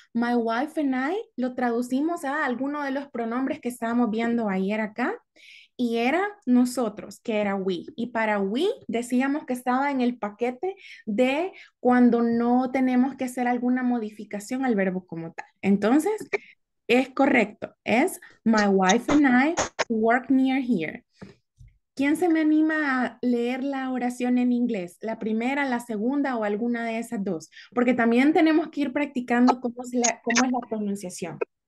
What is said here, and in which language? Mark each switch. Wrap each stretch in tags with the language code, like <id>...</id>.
<en>My wife and I</en> <es>lo traducimos a alguno de los pronombres que estábamos viendo ayer acá. Y era nosotros, que era we. Y para we decíamos que estaba en el paquete de cuando no tenemos que hacer alguna modificación al verbo como tal. Entonces, es correcto. Es</es> <en>my wife and I work near here.</en> <es>¿Quién se me anima a leer la oración en inglés? ¿La primera, la segunda o alguna de esas dos? Porque también tenemos que ir practicando cómo es la pronunciación.</es>